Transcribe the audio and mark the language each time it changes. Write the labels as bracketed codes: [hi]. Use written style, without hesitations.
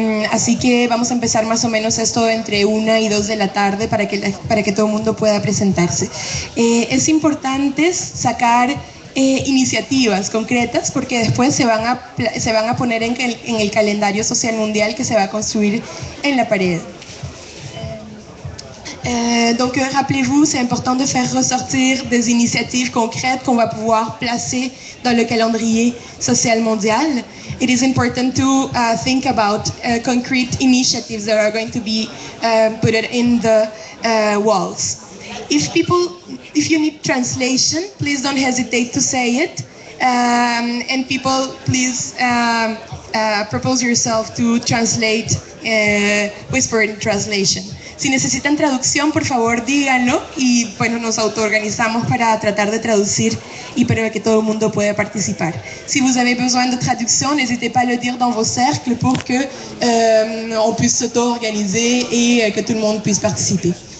[es] Así que vamos a empezar más o menos esto entre 1 y 2 de la tarde para que todo el mundo pueda presentarse. Es importante sacar iniciativas concretas porque después se van a poner en el calendario social mundial que se va a construir en la pared. [fr] Donc rappelez-vous, c'est important de faire ressortir des initiatives concrètes qu'on va pouvoir placer dans le calendrier social mondial. [en] It is important to think about concrete initiatives that are going to be put in the walls. If you need translation, please don't hesitate to say it. And people, please propose yourself to translate, whisper in translation. [es] Si necesitan traducción, por favor, díganlo. Y bueno, nos auto-organizamos para tratar de traducir y para que todo el mundo pueda participar. [fr] Si vous avez besoin de traducción, n'hésitez pas à le dire dans vos cercles pour que on puisse s'auto-organiser et que tout le monde puisse participer.